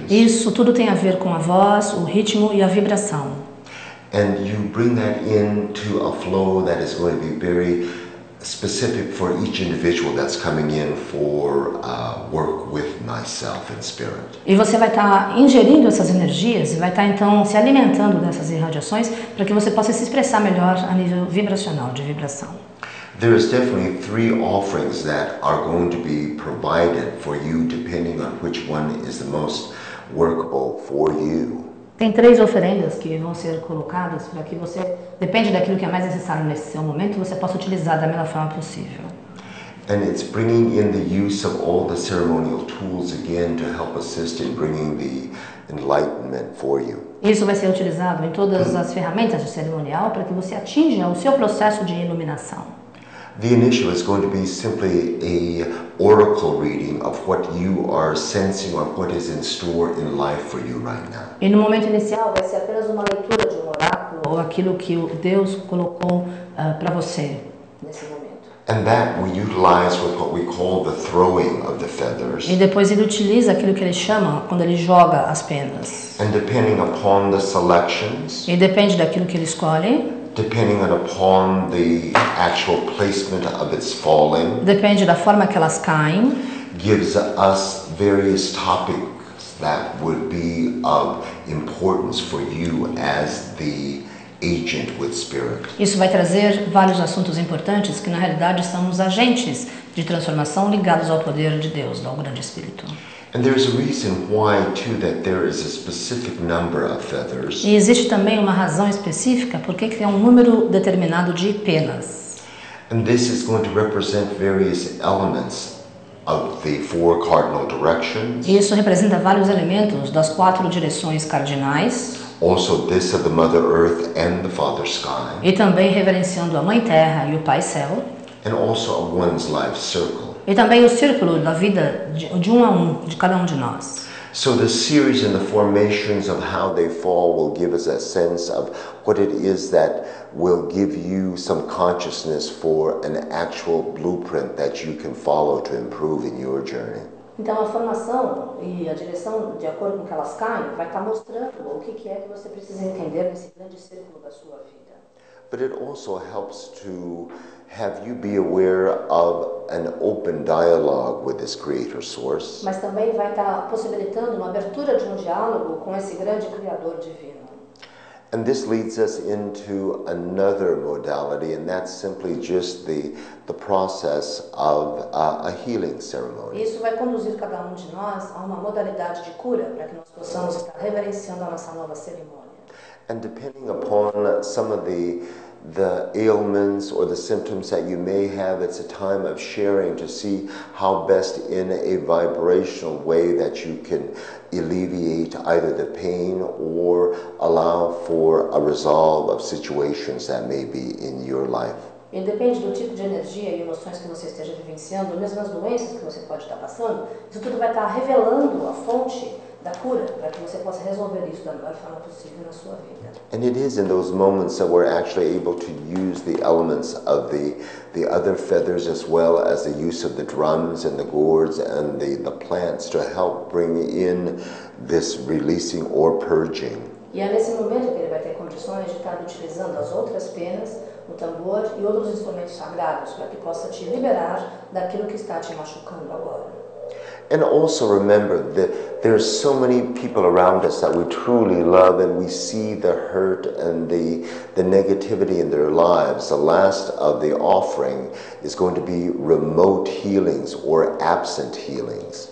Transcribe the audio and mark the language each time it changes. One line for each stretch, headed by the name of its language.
Portuguese: Isso tudo tem a ver com a voz, o ritmo e a vibração.
English: And you bring that into a flow that is going to be very specific for each individual that's coming in for work with myself and spirit.
Portuguese: E você vai estar ingerindo essas energias e vai estar então se alimentando dessas irradiações para que você possa se expressar melhor a nível vibracional, de vibração.
English: There is definitely three offerings that are going to be provided for you depending on which one is the most workable for you.
Portuguese: Tem três oferendas que vão ser colocadas para que você, depende daquilo que é mais necessário nesse seu momento, você possa utilizar da melhor forma possível.
English: And it's bringing in the use of all the ceremonial tools again to help assist in bringing the enlightenment for you.
Portuguese: Isso vai ser utilizado em todas as ferramentas do cerimonial para que você atinja o seu processo de iluminação.
English: The initial is going to be simply a oracle reading of what you are sensing or what is in store in life for you right now.
Portuguese: E no momento inicial vai ser apenas uma leitura de um oráculo ou aquilo que Deus colocou para você nesse momento.
English: And that we utilize with what we call the throwing of the feathers.
Portuguese: E depois ele utiliza aquilo que ele chama quando ele joga as penas.
English: And depending upon the selections.
Portuguese: E depende daquilo que ele escolhe.
English: Depending upon the actual placement of its falling.
Portuguese: Depende da forma que elas caem.
English: Gives us various topics that would be of importance for you as the agent with spirit.
Portuguese: Isso vai trazer vários assuntos importantes que na realidade são os agentes de transformação ligados ao poder de Deus, ao grande espírito.
English: And there is a reason why too that there is a specific number of feathers.
Portuguese: E existe também uma razão específica por que tem um número determinado de penas.
English: And this is going to represent various elements of the four cardinal directions.
Portuguese: Isso representa vários elementos das quatro direções cardinais.
English: Also this of the Mother Earth and the Father Sky.
Portuguese: E também reverenciando a Mãe Terra e o Pai Céu.
English: And also of one's life circle.
Portuguese: E também o círculo da vida de um a um, de cada um de nós.
English: So the series and the formations of how they fall will give us a sense of what it is that will give you some consciousness for an actual blueprint that you can follow to improve in your journey.
Portuguese: Então a formação e a direção de acordo com que elas caem vai estar mostrando o que é que você precisa entender nesse grande círculo da sua vida.
English: But it also helps to have you be aware of an open dialogue with this creator source.
Portuguese: Mas também vai estar possibilitando uma abertura de diálogo com esse grande criador divino.
English: And this leads us into another modality, and that's simply just the process of a healing ceremony.
Portuguese: Isso vai conduzir cada de nós a uma modalidade de cura para que nós possamos estar reverenciando a nossa nova cerimônia.
English: And depending upon some of the ailments or the symptoms that you may have, it's a time of sharing to see how best in a vibrational way that you can alleviate either the pain or allow for a resolve of situations that may be in your life.
Portuguese: E depende do tipo de energia e emoções que você esteja vivenciando, ou mesmo as doenças que você pode estar passando, isso tudo vai estar revelando a fonte da cura, para que você possa resolver isso da melhor forma possível na sua vida.
English: And it is in those moments that we're actually able to use the elements of the other feathers as well as the use of the drums and the gourds and the plants to help bring in this releasing or purging.
Portuguese: E é nesse momento que ele vai ter condições de estar utilizando as outras penas, o tambor e outros instrumentos sagrados, para que possa te liberar daquilo que está te machucando agora.
English: And also remember that there's so many people around us that we truly love and we see the hurt and the negativity in their lives. The last of the offering is going to be remote healings or absent healings.